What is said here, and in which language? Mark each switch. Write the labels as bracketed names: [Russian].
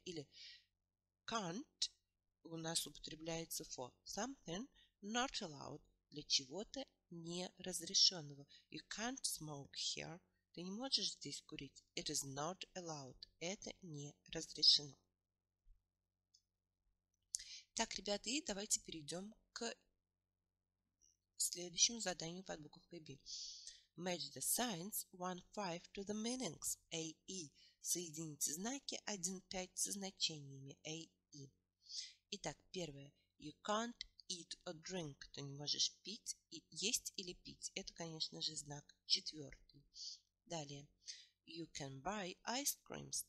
[Russian] Или can't у нас употребляется [English] for something not allowed, [Russian] для чего-то неразрешенного. [English] You can't smoke here. [Russian] Ты не можешь здесь курить. [English] It is not allowed. [Russian] Это не разрешено. Так, ребята, и давайте перейдем к следующему заданию под буквой B. [English] Match the signs 1-5 to the meanings A-E. [Russian] Соедините знаки 1-5 со значениями A-E. Итак, первое. [English] You can't eat or drink. [Russian] Ты не можешь пить, есть или пить. Это, конечно же, знак четвертый. [English] Далее. You can buy ice creams.